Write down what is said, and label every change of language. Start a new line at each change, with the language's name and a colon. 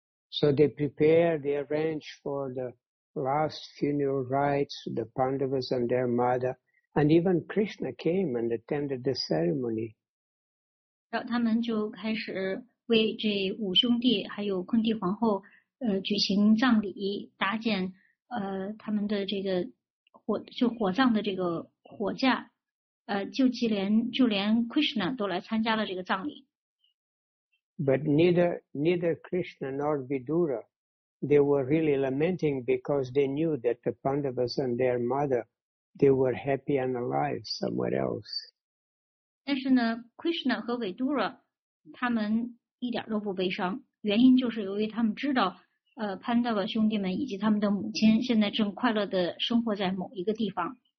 English: So they prepare, they arrange for the last funeral rites, the Pandavas and their mother. And even Krishna came and attended the ceremony.
Chinese: 然后他们就开始为这五兄弟还有昆蒂皇后举行葬礼，搭建他们的这个火葬的这个火架，就连 Krishna 都来参加了这个葬礼。
English: But neither Krishna nor Vidura, they were really lamenting because they knew that the Pandavas and their mother. They were happy and alive somewhere else.
Chinese: 但是呢 ，Krishna 和 Vidura 他们一点都不悲伤，原因就是由于他们知道，Pandava 兄弟们以及他们的母亲现在正快乐的生活在某一个地方。